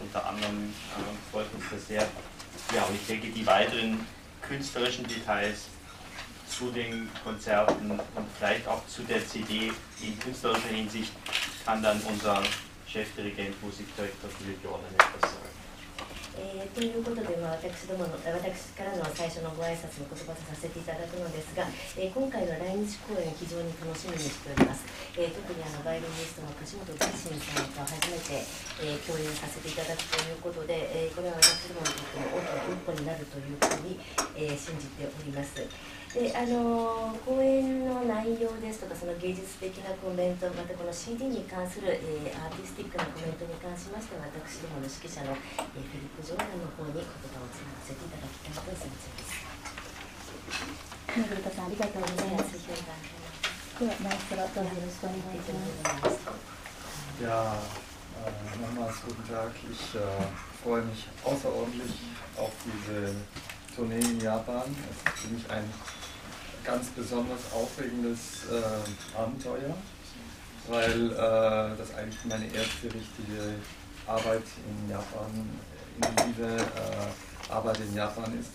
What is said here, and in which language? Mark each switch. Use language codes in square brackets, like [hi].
[de] Unter anderem freut uns das sehr. Ja, und ich denke, die weiteren künstlerischen Details zu den Konzerten und vielleicht auch zu der CD in künstlerischer Hinsicht kann dann unser Chefdirigent Musikdirektor Philipp Jordan etwas sagen. [ja] ということで、私どもの、私からの最初のご挨拶の言葉とさせていただくのですが、今回の来日公演非常に楽しみにしております。特にバイオリニストの梶本自身さんと初めて、共演させていただくということで、これは私どもにとっても大きな一歩になるというふうに、信じております。で講演の内容ですとか、その芸術的なコメント、またこの CD に関する、アーティスティックなコメントに関しましては、私どもの指揮者の、フィリップ・ジョーダンの方に言葉をつなげていただきたいと思います。フィリップさん、ありがとうございます。フィリップさん、ナイスラット、よろしくお願いします。やあ、ナマス、ごめんなさい。 [de] Ich freue mich außerordentlich auf dieseTournee in Japan. Das ist für mich ein ganz besonders aufregendes Abenteuer, weil das eigentlich meine erste richtige Arbeit in Japan, intensive Arbeit in Japan ist.